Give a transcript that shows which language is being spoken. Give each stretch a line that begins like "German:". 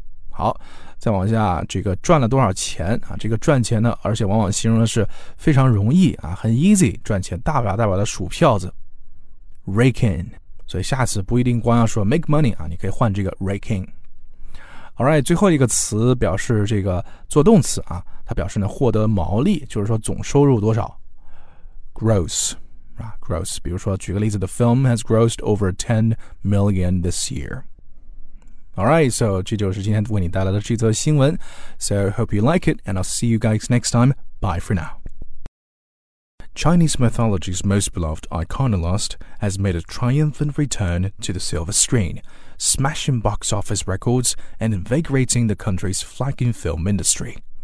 Chinese: 好，再往下，这个赚了多少钱啊，这个赚钱呢而且往往形容的是非常容易啊，很 easy 赚钱，大把大把的数票子， rake in。所以下次不一定光要说 make money 啊，你可以换这个 rake in。 alright， 最后一个词表示这个做动词啊，它表示呢获得毛利，就是说总收入多少， gross 啊， gross。比如说举个例子，
English: the film has grossed over 10 million this year。
Chinese: Alright, so 这就是今天为你带来的这则新闻。
English: So hope you like it, and I'll see you guys next time. Bye for now. Chinese mythology's most beloved iconoclast has made a triumphant return to the silver screen, smashing box office records and invigorating the country's flagging film industry.